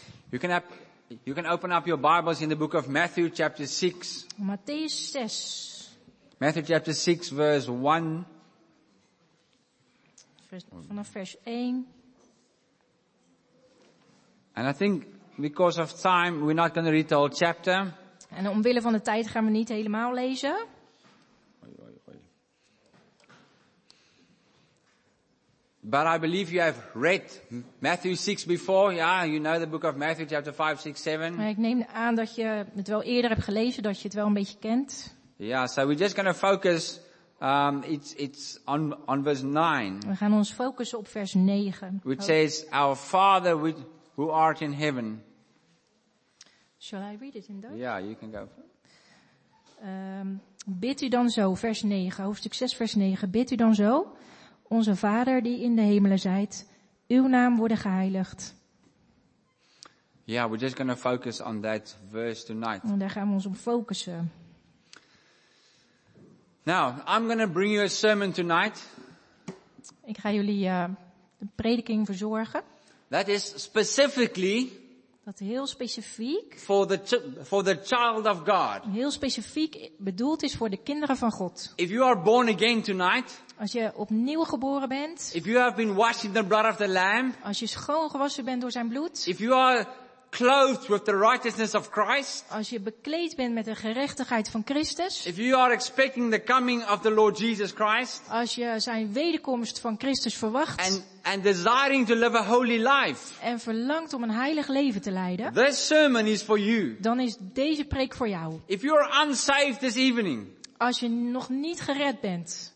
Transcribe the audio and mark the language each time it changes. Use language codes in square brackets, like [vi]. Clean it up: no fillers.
[en] You can open up your Bibles in the book of Matthew chapter 6. [nl] Matthäus 6. [en] Matthew chapter 6 verse 1. [nl] Vanaf vers 1. [en] And I think because of time we're not going to read the whole chapter. [nl] En omwille van de tijd gaan we niet helemaal lezen. [en] But I believe you have read Matthew 6 before. Yeah, you know the book of Matthew chapter 5, 6, 7. [nl] Maar ik neem aan dat je het wel eerder hebt gelezen, dat je het wel een beetje kent. [en] Yeah, so we're just going to focus it's on verse 9. [nl] We gaan ons focussen op vers 9. [en] Which says our Father who art in heaven. Shall I read it in Dutch? Yeah, you can go. [nl] Bid u dan zo, vers 9, hoofdstuk 6 vers 9. Bid u dan zo: Onze Vader die in de hemelen zijt, uw naam worden geheiligd. [en] Yeah, we're just going to focus on that verse tonight. [nl] En daar gaan we ons op focussen. [en] Now, I'm going to bring you a sermon tonight. [nl] Ik ga jullie de prediking verzorgen. [en] That is specifically. [nl] Dat heel specifiek. [en] For the child of God. [nl] Heel specifiek bedoeld is voor de kinderen van God. [en] If you are born again tonight. [nl] Als je opnieuw geboren bent. [en] If you have been washed in the blood of the Lamb. [nl] Als je schoon gewassen bent door zijn bloed. [en] If you are clothed with the righteousness of Christ. [nl] Als je bekleed bent met de gerechtigheid van Christus. [en] If you are expecting the coming of the Lord Jesus Christ. [nl] Als je zijn wederkomst van Christus verwacht. [en] And desiring to live a holy life. [nl] En verlangt om een heilig leven te leiden. [en] This sermon is for you. [nl] Dan is deze preek voor jou. [en] If you are unsaved this evening. [nl] Als je nog niet gered bent.